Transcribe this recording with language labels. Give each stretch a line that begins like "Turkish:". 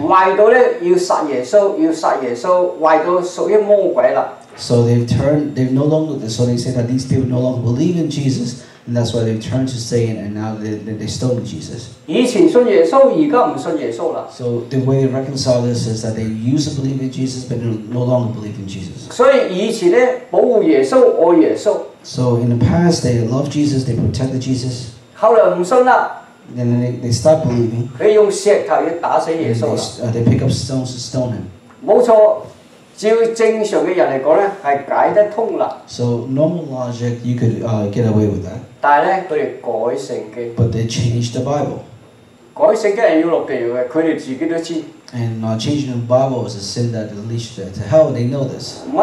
Chinese: 坏到要杀耶稣, 要杀耶稣, 坏到属于魔鬼了.
English: So they've turned, they've no longer, so they say that these people no longer believe in Jesus, and that's why they've turned to Satan, and now they stole Jesus.
Chinese: 以前信耶稣,
English: so the way they reconcile this is that they used to believe in Jesus, but no longer believe in Jesus.
Chinese: 所以以前呢, 保护耶稣, 爱耶稣,
English: so in the past, they loved Jesus, they protected Jesus.
Chinese: 后来不信了,
English: then they stopped believing.
Chinese: 他用石头打死耶稣,
English: they pick up stones to stone him.
Chinese: 没错, 照正常的人来说是解得通了,
English: so normal logic you could get away with that,
Chinese: 但是他们改圣经,
English: but they changed the Bible.
Chinese: 改圣经是要落地狱的, 他们自己都知,
English: and changing the Bible is a sin that leads to hell, they know this.